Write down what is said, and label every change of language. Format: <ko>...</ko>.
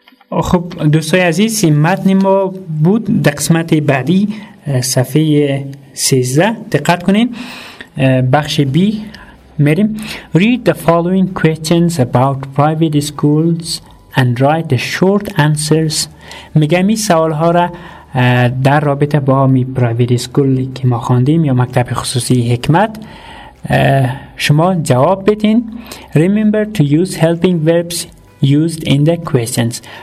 <fa>خب دوستای عزیز این متن ما بود در قسمت بعدی صفحه 13 دقت کنین بخش بی میریم.</fa> <en>Read the following questions about private schools and write the short answers.</en> <fa>میگم این سوال ها را در رابطه با می پرایویت اسکول که ما خواندیم یا مکتب خصوصی حکمت شما جواب بدین.</fa> <en>Remember to use helping verbs used in the questions.</en>